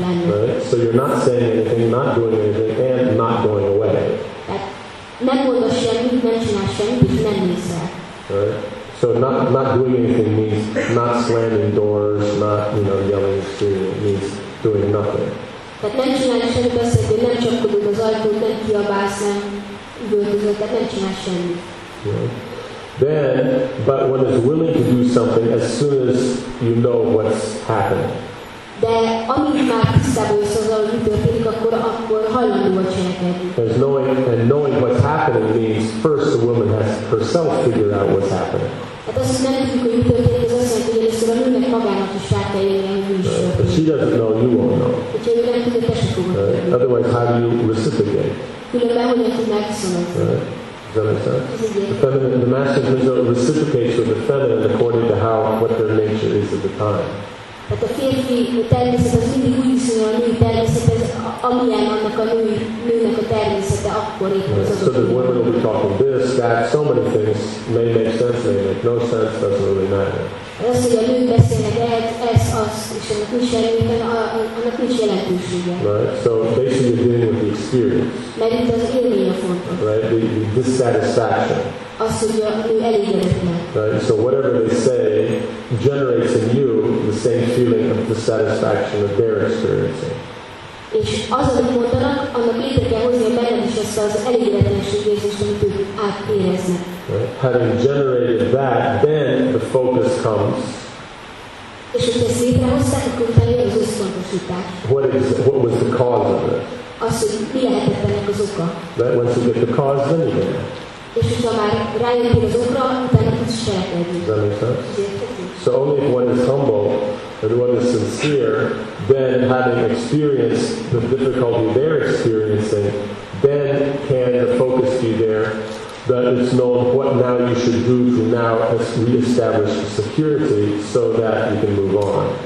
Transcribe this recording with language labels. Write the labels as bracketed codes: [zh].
[en] Right? So you're not saying anything, not doing anything, and not going away. [hu] Nem mondasz semmit, nem csinálsz semmit, és nem nézel. [en] Right? So not doing anything means not slamming doors, not, you know, yelling, screaming, it means doing nothing. [hu] Tehát nem csinálsz semmit, azt jelenti, hogy nem csapkodod az ajtót, nem kiabálsz, nem üvöltözöd, tehát nem csinálsz semmit. [en] Then, but one is willing to do something as soon as you know what's happening. [hu] De amíg már tisztában jössz azzal, hogy mi történik, akkor hajlandó a cselekedni. [en] Knowing what's happening means first the woman has herself figured out what's happening. [hu] Hát azt nem tudjuk, hogy mi történik, az azt jelenti, hogy először a nőnek magának is rá kell jönni, hogy mi is történik. [en] But she doesn't know, you won't know. [hu] Hogyha ő nem tudja, te se fogod tudni. [en] Otherwise, how do you reciprocate? [hu] Különben hogyan tudnál kiszolgálni? [en] Is that what I'm saying? The masculine is reciprocates with the feminine according to how what their nature is at the time. [hu] Tehát a férfi természet az mindig úgy viszonyul a női természethez, amilyen annak a nőnek a természete akkor éppen az adott. [en] So the women will be talking this, that, so many things may make sense, may make no sense, doesn't really matter. [hu] Az, hogy a nők beszélnek lehet, ez, az, és annak nincs jelentősége, annak nincs jelentősége. [en] Right, so basically you're dealing with the experience. [hu] Mert itt az élmény a fontos. [en] Right, the dissatisfaction. [hu] az, hogy ő elégedetlen. [en] Right, so whatever they say generates in you the same feeling of dissatisfaction that they're experiencing. [hu] És az, amit mondanak, annak létre kell hozni benned is ezt az elégedetlenség érzést, amit ők átéreznek. [en] Right. Having generated that, then the focus comes. [hu] És hogy ezt létrehozták, akkor utána jön az összpontosítás. [en] What was the cause of it? [hu] Az, hogy mi lehetett ennek az oka. [en] Right. Once you get the cause, then you get it. [hu] És hogyha már rájöttél az okra, utána tudsz cselekedni. [en] Does that make sense? So only if one is humble and one is sincere, then having experienced the difficulty they're experiencing, then can the focus be there that it's known what now you should do to now reestablish the security so that you can move on.